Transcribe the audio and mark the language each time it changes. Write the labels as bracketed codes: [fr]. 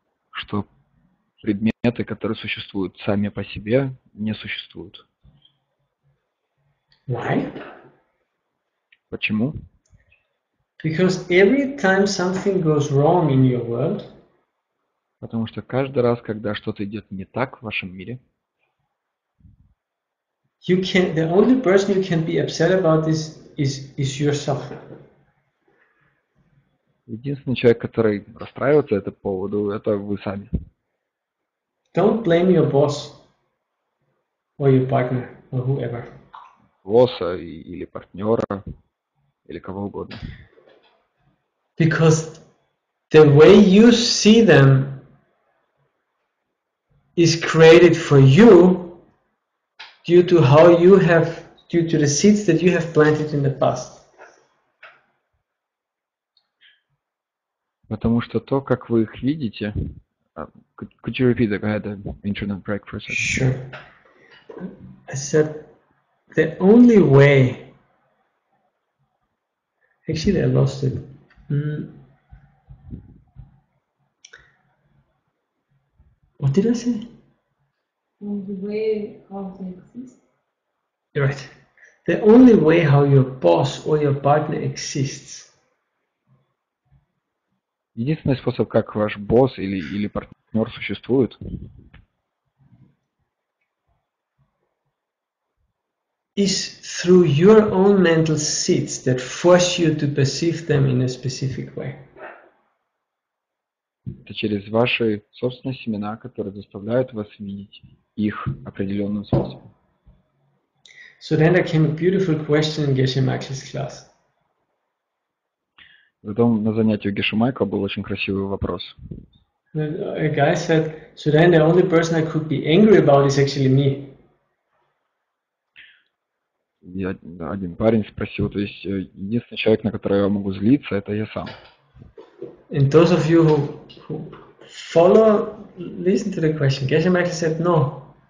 [ru] Что предметы, которые существуют сами по себе, не существуют. [en] Why? [ru] Почему? [en] Because every time something goes wrong in your world, [ru] потому что каждый раз, когда что-то идет не так в вашем мире, [en] you can, the only person you can be upset about is yourself. [ru] Единственный человек, который расстраивается этому поводу, это вы сами. [en] Don't blame your boss or your partner or whoever. [ru] Босса или партнера или кого угодно. [en] Because the way you see them is created for you due to how you have, due to the seeds that you have planted in the past. [ru] Потому что то, как вы их видите. [en] Could you repeat that? I had an internet break for a second. Sure. I said the only way. Actually, I lost it. What did I say? The way how they exist. You're right. The only way how your boss or your partner exists. [ru] Единственный способ, как ваш босс или партнер существует, [en] is through your own mental seeds that force you to perceive them in a specific way. [ru] Это через ваши собственные семена, которые заставляют вас видеть их определенным способом. [en] So then there came a beautiful question in Geshe Michael's class. [ru] Потом на занятии у Геши Майкла был очень красивый вопрос. [en] A guy said, so then the only person I could be angry about is actually me. [ru] Один парень спросил, то есть единственный человек, на которого я могу злиться, это я сам. [en] And those of you who follow, listen to the question. Geshe Michael said, no.